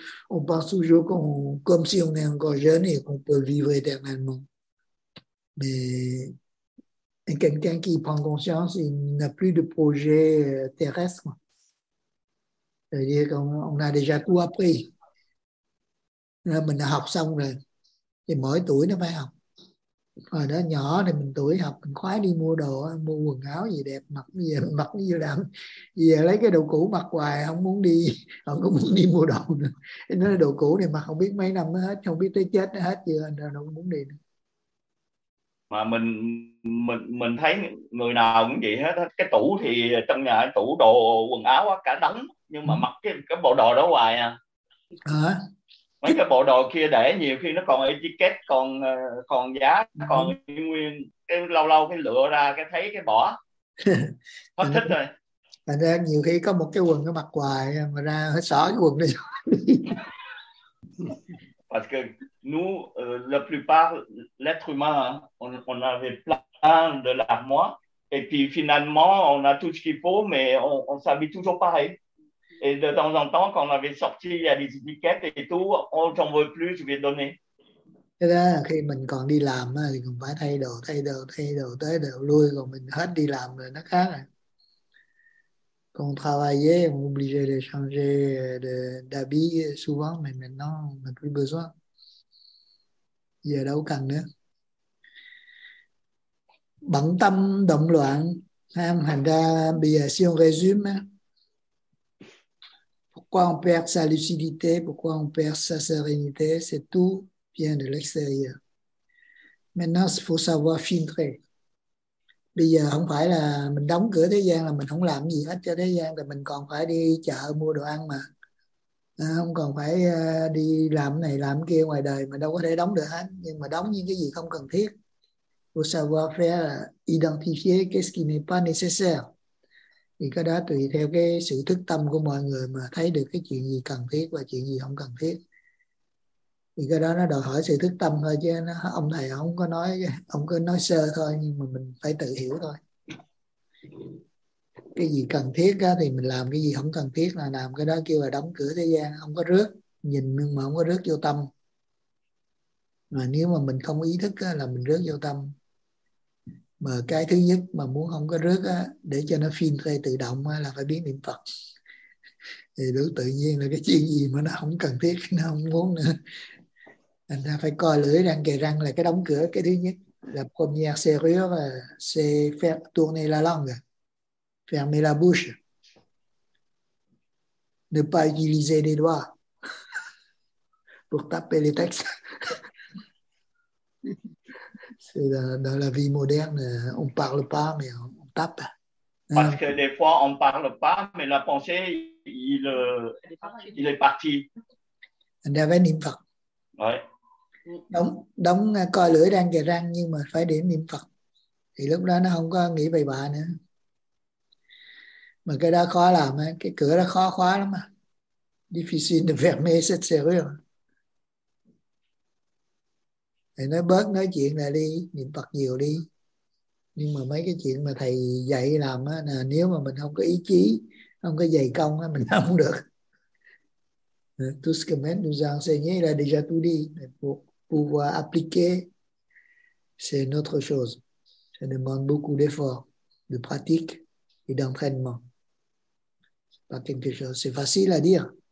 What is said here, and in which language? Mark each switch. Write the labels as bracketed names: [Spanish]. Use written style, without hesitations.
[French] On pense toujours qu'on, comme si on est encore jeune et qu'on peut vivre éternellement. Mais quelqu'un qui prend conscience, il n'a plus de projet terrestre. C'est-à-dire qu'on a déjà tout appris. [Vietnamese] Là mình đã học xong rồi, thì mỗi tuổi nó phải học. Rồi đó nhỏ thì mình tuổi học, mình khoái đi mua đồ, mua quần áo gì đẹp mặc, bây giờ mặc như làm, bây giờ lấy cái đồ cũ mặc hoài, không muốn đi, không có muốn đi mua đồ nữa. Nó là đồ cũ này mặc không biết mấy năm hết, không biết tới chết hết chưa, nó không muốn đi nữa. Mà mình thấy người nào cũng vậy hết, cái tủ thì trong nhà tủ đồ quần áo cả đống, nhưng mà mặc cái bộ đồ đó hoài à. À. Mấy cái bộ đồ kia để nhiều khi nó còn etiquette, còn giá, còn nguyên. Cái lâu lâu cái lựa ra cái thấy cái bỏ. Hết thích rồi. Thành ra nhiều khi có một cái quần nó mặc hoài mà ra hết xỏ cái quần đi. [French] Parce que nous, la plupart, l'être humain, on avait plein de l'armoire. Et puis finalement, on a tout ce qu'il faut, mais on s'habille toujours pareil. Et de temps en temps, quand on avait sorti, il y a des étiquettes et tout, on n'en veut plus, je vais donner. [Vietnamese] Thế đó là khi mình còn đi làm thì cũng phải thay đồ, tới đồ, lui, còn mình hết đi làm rồi nó khác rồi. [French] Quand on travaillait, on est obligé de changer d'habit souvent, mais maintenant, on n'a plus besoin. [Vietnamese] Giờ đâu cần nữa. Bận tâm, động loạn, thành ra bây giờ, [French] si on résume, pourquoi on perd sa lucidité, pourquoi on perd sa sérénité, c'est tout vient de l'extérieur. Maintenant, il faut savoir filtrer. [Vietnamese] Bây giờ không phải là mình đóng cửa thế gian là mình không làm gì hết cho thế gian, thì mình còn phải đi chợ mua đồ ăn mà. Không còn phải đi làm này làm kia ngoài đời mà đâu có thể đóng được hết. Nhưng mà đóng những cái gì không cần thiết. [French] Faut savoir faire, identifier qu'est-ce qui n'est pas nécessaire. [Vietnamese] Thì cái đó tùy theo cái sự thức tâm của mọi người mà thấy được cái chuyện gì cần thiết và chuyện gì không cần thiết. Thì cái đó nó đòi hỏi sự thức tâm thôi, chứ ông thầy không có nói, ông cứ nói sơ thôi, nhưng mà mình phải tự hiểu thôi. Cái gì cần thiết á thì mình làm, cái gì không cần thiết là làm, cái đó kêu là đóng cửa thế gian, không có rước, nhìn nhưng mà không có rước vô tâm. Mà nếu mà mình không ý thức á, là mình rớt vô tâm. Mà cái thứ nhất mà muốn không có rớt á, để cho nó phim thuê tự động á, là phải biết niệm Phật. Thì đủ tự nhiên là cái chuyện gì mà nó không cần thiết, nó không muốn nữa. Anh ta phải coi lưỡi răng kề răng là cái đóng cửa. Cái thứ nhất là [French] première serrure, là c'est faire tourner la langue, fermer la bouche, ne pas utiliser les doigts pour taper les textes. C'est dans la vie moderne, on parle pas mais on tape. Parce que des fois on parle pas mais la pensée il est parti. [Vietnamese] Anh ta phải niệm Phật. [French] Ouais. [Vietnamese] Đóng coi lưỡi đang kề răng nhưng mà phải điểm niệm Phật thì lúc đó nó không có nghĩ bậy bạ nữa. Mà cái đó khó làm, cái cửa đó khó khóa lắm mà. [French] Difficile de fermer cette serrure. [Vietnamese] Thầy nói bớt nói chuyện là đi, niệm Phật nhiều đi. Nhưng mà mấy cái chuyện mà thầy dạy làm là nếu mà mình không có ý chí, không có dày công mình làm không được. [French] Tout ce que même nous a enseigné, il a déjà tout dit. Mais pour pouvoir appliquer, c'est une autre chose. Ça demande beaucoup d'efforts, de pratique et d'entraînement. C'est pas quelque chose. C'est facile à dire.